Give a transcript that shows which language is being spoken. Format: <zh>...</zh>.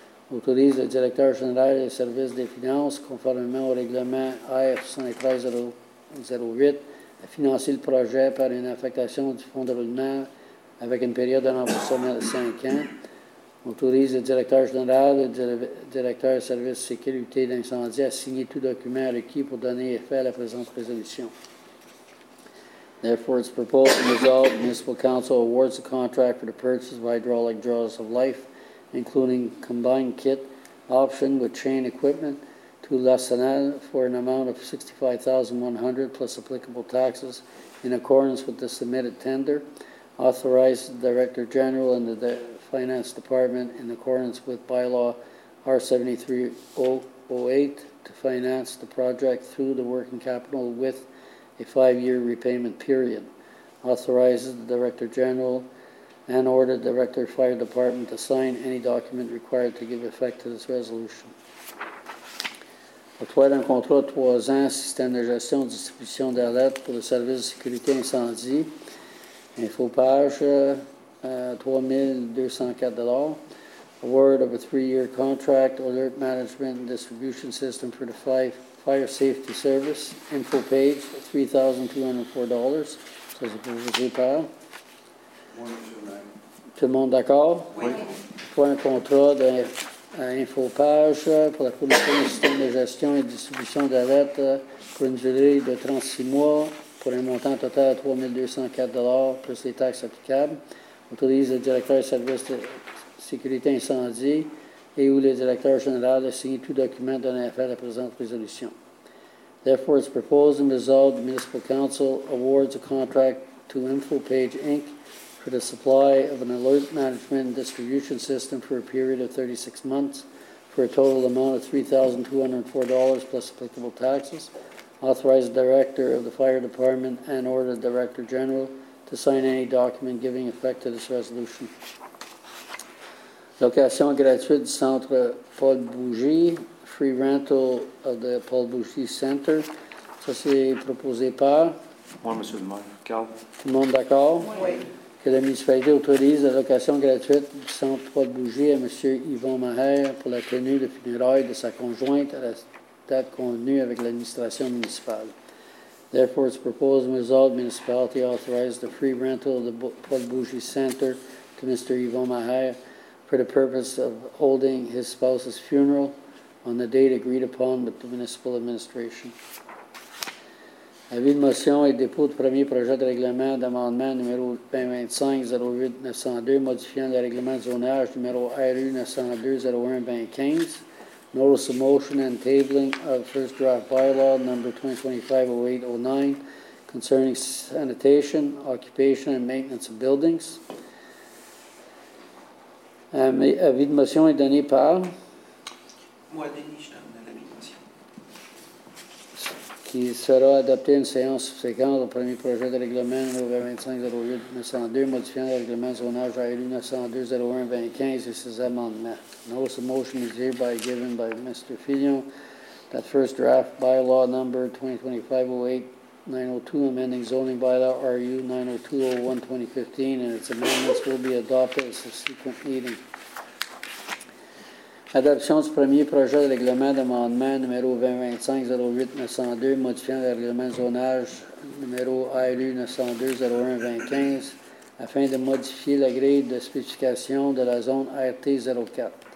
<fr>Autorise le directeur général des services des finances, conformément au règlement R73-008, à financer le projet par une affectation du fonds de roulement avec une période de remboursement de 5 ans. Autorise le directeur général, le directeur des services de sécurité et d'incendie à signer tout document requis pour donner effet à la présente résolution.</fr> <en>Therefore, it's proposed and resolved the Municipal Council awards a contract for the purchase of hydraulic jaws of life, including combined kit option with chain equipment to L'Arsenal for an amount of $65,100 plus applicable taxes in accordance with the submitted tender. Authorize the Director General and the Finance Department in accordance with bylaw R73008 to finance the project through the working capital with a 5-year repayment period. Authorizes the Director General and order the Director of Fire Department to sign any document required to give effect to this resolution.</en> <fr>Octroyer un contrat de 3 ans, système de gestion, distribution d'alerte pour le service de sécurité incendie. Info page, $3,204.</fr> <en>Award of a 3-year contract, alert management and distribution system for the fire safety service.</en> <fr>Info page, $3,204. Ça, c'est pour vous dire par. Tout le monde d'accord? Oui. Pour un contrat d'info page pour la commission du système de gestion et distribution d'alerte pour une durée de 36 mois pour un montant total de $3,204 plus les taxes applicables. Autorise le directeur de service de sécurité incendie et où le directeur général a signé tout document donnant effet à la présente résolution.</fr> <en>Therefore, it's proposed and resolved the Municipal Council awards a contract to InfoPage Inc. for the supply of an alert management and distribution system for a period of 36 months for a total amount of $3,204 plus applicable taxes. Authorize the director of the fire department and order the director general to sign any document giving effect to this resolution.</en> <fr>Location gratuite du centre Paul Bougie,</fr> <en>free rental of the Paul Bougie Center.</en> <fr>Ça, c'est proposé par? Moi, monsieur le maire. Carl. Tout le monde d'accord? Oui. Que la municipalité autorise la location gratuite du centre Paul Bougie à monsieur Yvon Maher pour la tenue de funérailles de sa conjointe à la date convenue avec l'administration municipale.</fr> <en>Therefore, it's proposed and resolved municipality authorized the free rental of the Paul Bougie Center to Mr. Yvon Maher for the purpose of holding his spouse's funeral on the date agreed upon with the municipal administration.</en> <fr>Avis de motion et dépôt du premier projet de règlement d'amendement numéro 2025-08-902 modifiant le règlement de zonage numéro RU-902-01-2015.</fr> <en>Notice of motion and tabling of first draft bylaw number 2025-08-09 concerning sanitation, occupation and maintenance of buildings.</en> <fr>Avis de motion est donné par? Moi, Denis, je donne l'avis de motion. Qui sera adopté une séance subséquente au premier projet de règlement numéro 2025-08-902, modifiant le règlement zonage RU-902-01-2015 et ses amendements.</fr> <en>Notice of motion is hereby given by Mr. Fillon that first draft bylaw number 2025-08-902, amending zoning bylaw RU-902-01-2015, and its amendments will be adopted at a subsequent meeting.</en> <fr>Adoption du premier projet de règlement d'amendement numéro 2025-08-902, modifiant le règlement zonage numéro RU-902-01-2015, afin de modifier la grille de spécification de la zone RT-04.</fr>